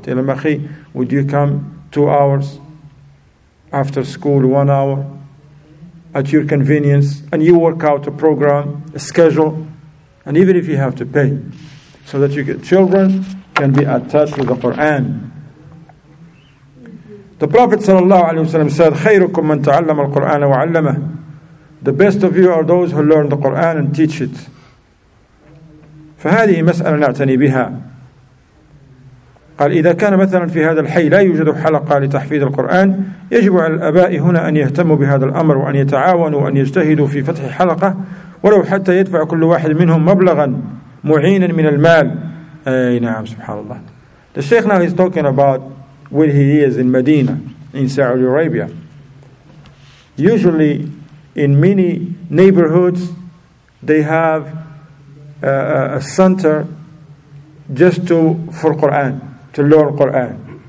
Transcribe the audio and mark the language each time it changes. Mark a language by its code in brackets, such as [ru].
[en] Tell them, akhi, would you come 2 hours after school, 1 hour, at your convenience, and you work out a program, a schedule, and even if you have to pay, so that your children can be attached to the Quran. The Prophet ﷺ said, [ar] خَيْرُكُمْ مَنْ تَعَلَّمَ الْقُرْآنَ وَعَلَّمَهُ. [en] The best of you are those who learn the Quran and teach it. [ar] فهذه مسألة نعتني بها. قال إذا كان مثلا في هذا الحي لا يوجد حلقة لتحفيظ القرآن يجب على الآباء هنا أن يهتموا بهذا الأمر وأن يتعاونوا وأن يجتهدوا في فتح حلقة ولو حتى يدفع كل واحد منهم مبلغا معينا من المال. أي نعم سبحان الله. [en] The Sheikh now is talking about where he is in Medina, in Saudi Arabia. Usually, in many neighborhoods, they have a center just for Quran, to learn Quran.